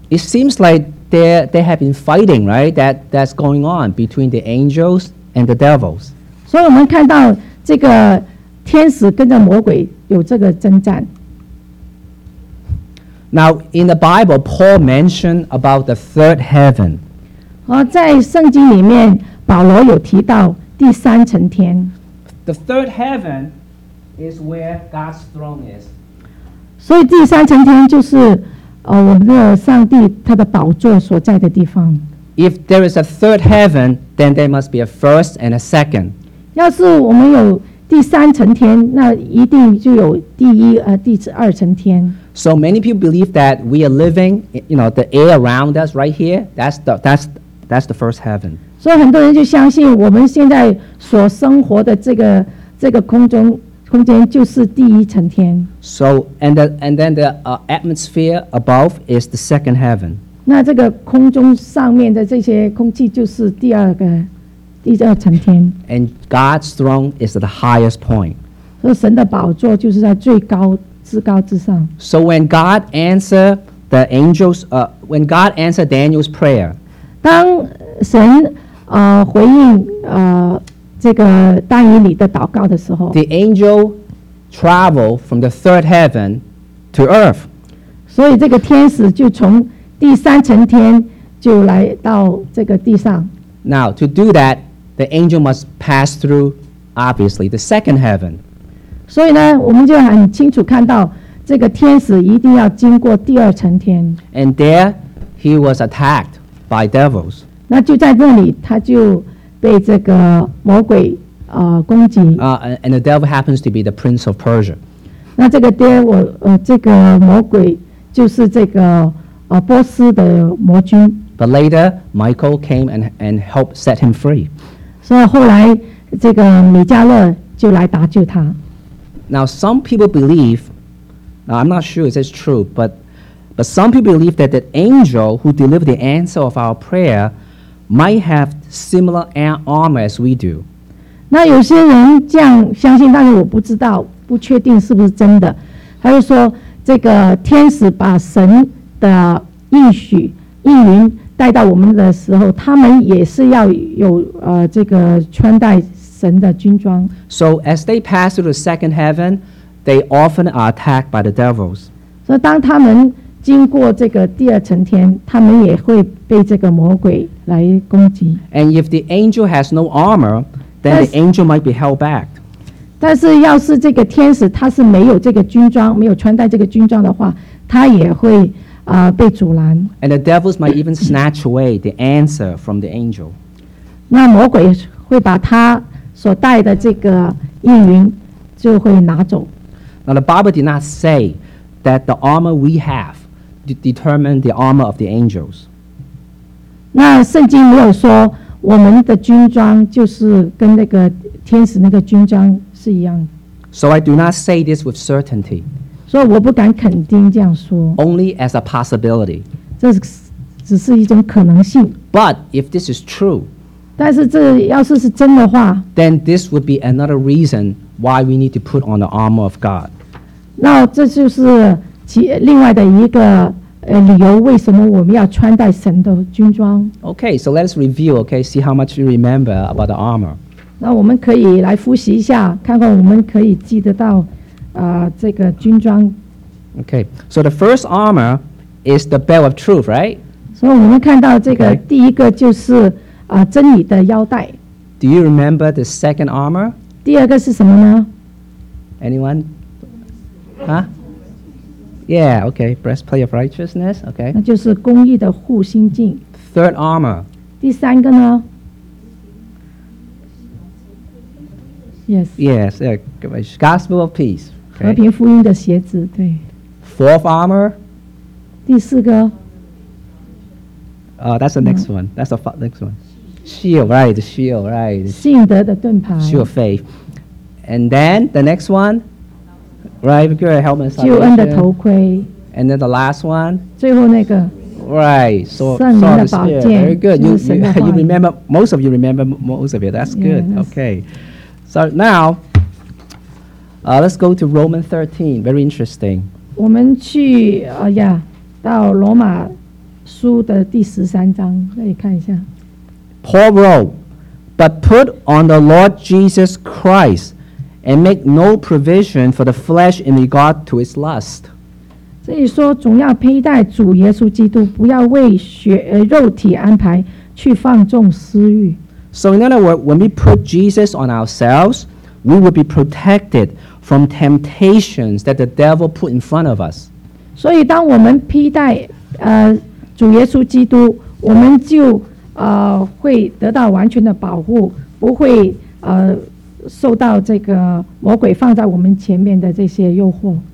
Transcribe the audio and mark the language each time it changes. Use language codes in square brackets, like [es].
[en] It seems like they have been fighting, right? That's going on between the angels and the devils. [zh] 所以我们看到这个天使跟着魔鬼有这个征战。 [en] Now in the Bible, Paul mentioned about the third heaven. [zh] 在圣经里面，保罗有提到第三层天。 [en] The third heaven is where God's throne is. [zh] 所以第三层天就是我们的上帝他的宝座所在的地方。 [en] If there is a third heaven, then there must be a first and a second. [zh] 要是我们有第三层天，那一定就有第一第二层天。 [en] So many people believe that we are living, you know, the air around us right here. That's the first heaven. [zh] 所以很多人就相信我们现在所生活的这个空间就是第一层天。 [en] So and then the atmosphere above is the second heaven. [zh] 那这个空中上面的这些空气就是第二层天。 [en] And God's throne is at the highest point. [zh] 所以神的宝座就是在至高之上。 [en] So when God answered Daniel's prayer, [zh] 当神回应这个大以理的祷告的时候 [en] The angel traveled from the third heaven to earth [zh] 所以这个天使就从第三层天就来到这个地上 [en] Now to do that the angel must pass through obviously the second heaven [zh] 所以呢我们就很清楚看到这个天使一定要经过第二层天 [en] And there he was attacked by devils [zh] 那就在这里，他就被这个魔鬼宫颈。 [en] And the devil happens to be the prince of Persia. [zh] 那这个 devil 这个魔鬼就是这个波斯的魔君。 [en] But later, Michael came and helped set him free. [zh] 所以后来这个米迦勒就来搭救他。 [en] Now some people believe, now I'm not sure if it's true, but some people believe that the angel who delivered the answer of our prayer might have similar armor as we do. [zh] 那有些人这样相信，但是我不知道，不确定是不是真的。他就说，这个天使把神的应许应允带到我们的时候，他们也是要有这个穿戴神的军装。 [en] So as they pass through the second heaven, they often are attacked by the devils. [zh] 所以当他们经过这个第二层天，他们也会被这个魔鬼来攻击。 [en] And if the angel has no armor, then the angel might be held back. [zh] 但是要是这个天使他是没有这个军装，没有穿戴这个军装的话，他也会被阻拦。 [en] And the devils might even snatch away the answer from the angel. [zh] 那魔鬼会把他所带的这个应允就会拿走。 [en] Now the Bible did not say that the armor we have determine the armor of the angels. [zh] 那圣经没有说我们的军装就是跟那个天使那个军装是一样。 [en] So I do not say this with certainty. [zh] 所以我不敢肯定这样说。 [en] Only as a possibility. [zh] 这只是一种可能性。 [en] But if this is true, [zh] 但是这要是是真的话， [en] then this would be another reason why we need to put on the armor of God. [zh] 那这就是另外的一个理由，为什么我们要穿戴神的军装。 [en] Okay, so let's review, okay, see how much you remember about the armor. [zh] 那我们可以来复习一下，看看我们可以记得到这个军装。 [en] Okay, so the first armor is the belt of truth, right? [zh] 所以我们看到这个第一个就是真理的腰带。 [en] Do you remember the second armor? [zh] 第二个是什么呢？ [en] Anyone? Huh? Yeah, okay. Breastplate of righteousness, okay. [zh] 那就是公义的护心镜。 [en] Third armor. [zh] 第三个呢？ [en] Yes. Yes, gospel of peace. [zh] Okay. 和平福音的鞋子，对。 [en] Fourth armor. [zh] 第四个。 [en] That's the next one. That's the next one. Shield, right, the shield, right. [zh] 信德的盾牌。 [en] Shield of faith. And then, the next one. Right, good, helmet [zh] salvation. 救恩的头盔。 [en] And then the last one. [zh] 最后那个。 [en] Right, so, [zh] 圣灵的宝剑。 [en] Very good. You remember, most of you remember most of it. That's good. Yes. Okay. So now, let's go to Romans 13. Very interesting. [zh] 我们去到罗马书的第十三章，可以看一下。 [en] Paul wrote, but put on the Lord Jesus Christ. And make no provision for the flesh in regard to its lust. [zh] 这里说总要佩戴主耶稣基督，不要为肉体安排去放纵私欲。 [en] So in other words, when we put Jesus on ourselves, we will be protected from temptations that the devil put in front of us. [zh] 所以当我们佩戴主耶稣基督，我们就会得到完全的保护，不会受到这个魔鬼放在我们前面的这些诱惑。